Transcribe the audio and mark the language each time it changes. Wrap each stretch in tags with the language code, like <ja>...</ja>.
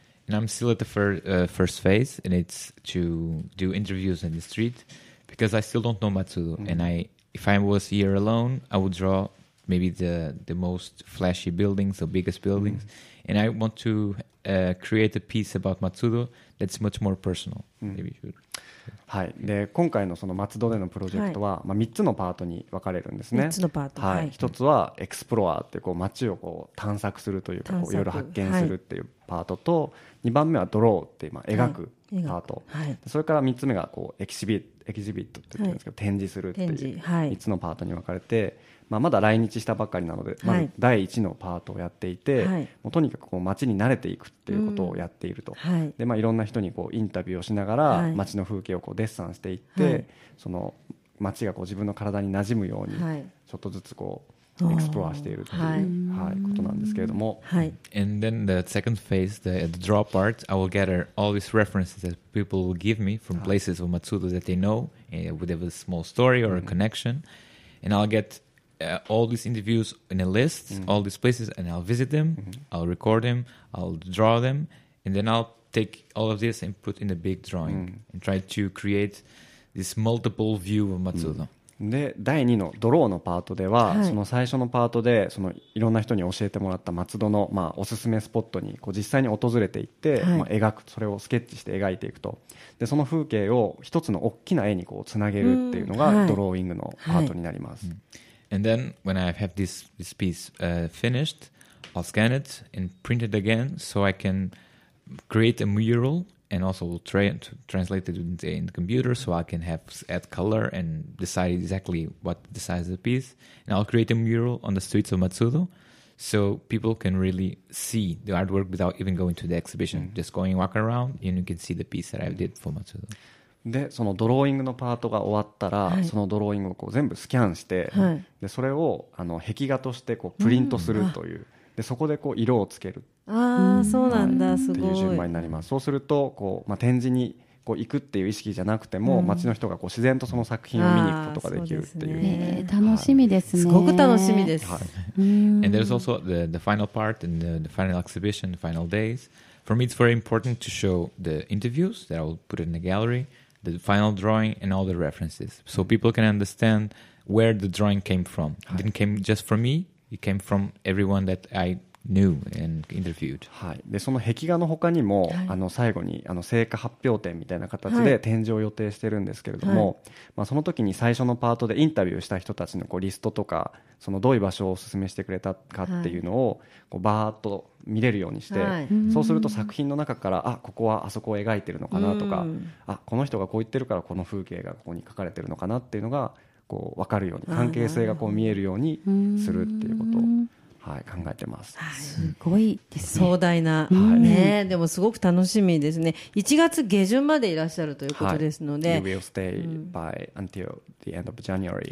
<en>And I'm still at the first phase, and it's to do interviews in the streetBecause I still don't know Matsudo, mm-hmm. and if I was here alone, I would draw maybe the most flashy buildings or biggest buildings, mm-hmm. and I want to create a piece about Matsudo that's much more personal. Maybe should.、</en> <ja>はい、で今回 の、 その松戸でのプロジェクトは、はい、まあ、3つのパートに分かれるんですね。 3つのパート、はい、1つはエクスプロアーってこう街をこう探索するというかいろいろ発見するっていうパートと、はい、2番目はドローってまあ描くパート、はい、それから3つ目がこうエキシビットって言ってるんですけど、はい、展示するっていう3つのパートに分かれて、まあ、まだ来日したばっかりなので、はい、まず第1のパートをやっていて、はい、もうとにかくこう街に慣れていくっていうことをやっていると、はい、でまあ、いろんな人にこうインタビューをしながら、はい、街の風景をこうデッサンしていって、はい、その街がこう自分の体に馴染むように、はい、ちょっとずつこうエクスプロアしているという、はいはい、ことなんですけれども、はい、</ja> <en>And then the second phase, the draw part, I will gather all these references that people will give me from places of Matsudo that they know, with a small story or a connection, and I'll getall these interviews in a list、mm-hmm. all these places and I'll visit them、mm-hmm. I'll record them I'll draw them and then I'll take all of this and put in a big drawing、mm-hmm. and try to create this multiple view of Matsudo、 mm-hmm.</en> <ja>で第2のドローのパートでは、はい、その最初のパートでそのいろんな人に教えてもらった松戸の、まあ、おすすめスポットにこう実際に訪れていって、はい、まあ、描くそれをスケッチして描いていくとでその風景を一つの大きな絵にこうつなげるっていうのが、mm-hmm. ドローイングのパートになります、はいはい。</ja> <en>And then when I have this piece finished, I'll scan it and print it again so I can create a mural and also translate it in the computer so I can have add color and decide exactly what the size of the piece. And I'll create a mural on the streets of Matsudo so people can really see the artwork without even going to the exhibition. Mm-hmm. Just going walk around and you can see the piece that I did for Matsudo.</en> <ja>でそのドローイングのパートが終わったら、はい、そのドローイングをこう全部スキャンして、はい、でそれをあの壁画としてこうプリントするという、うん、でそこでこう色をつける、ああそうなんだ、すごいっていう順番になります。そうするとこう、まあ、展示にこう行くっていう意識じゃなくても、うん、街の人がこう自然とその作品を見に行くことができるっていう、ね、はい、楽しみですね、すごく楽しみです、はい、</ja> <en>And there's also the final part and the final exhibition, the final days. For me it's very important to show the interviews that I will put in the gallery. The final drawing and all the references, so people can understand where the drawing came from. It didn't came just from me. It came from everyone that I knew and interviewed.</en> <ja>はい。で、その壁画の他にも、はい、最後に成果発表展みたいな形で展示を予定してるんですけれども、はい、まあ、その時に最初のパートでインタビューした人たちのこうリストとか、そのどういう場所をお勧めしてくれたかっていうのをこうバーッと見れるようにして、はい、そうすると作品の中からあここはあそこを描いてるのかなとか、あこの人がこう言ってるからこの風景がここに描かれてるのかなっていうのがこう分かるように、関係性がこう見えるようにするっていうことを、はい、考えてます。すごいですね、壮大な、はい、ね、でもすごく楽しみですね。1月下旬までいらっしゃるということですので、</ja> <en>はい、You will stay by until the end of January.</en>